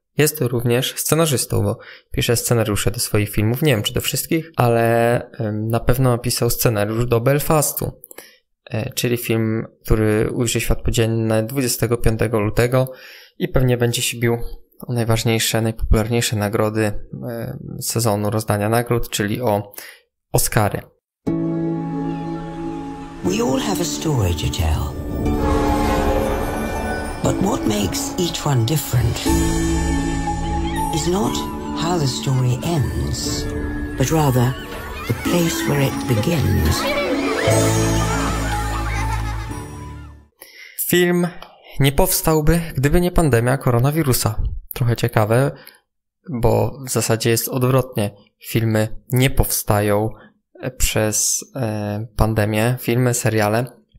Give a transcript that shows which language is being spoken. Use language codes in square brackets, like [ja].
[pl] Jest również scenarzystą, bo pisze scenariusze do swoich filmów, nie wiem czy do wszystkich, ale na pewno napisał scenariusz do Belfastu, czyli film, który ujrzy światło dzienne 25 lutego i pewnie będzie się bił o najważniejsze, najpopularniejsze nagrody sezonu rozdania nagród, czyli o Oscary. [en] We all have a story to tell. But what makes each one different is not how the story ends, but rather the place where it begins. [pl] Film nie powstałby, gdyby nie pandemia koronawirusa. Trochę ciekawe, bo w zasadzie jest odwrotnie. Filmy nie powstają przez pandemię, filmy, seriale.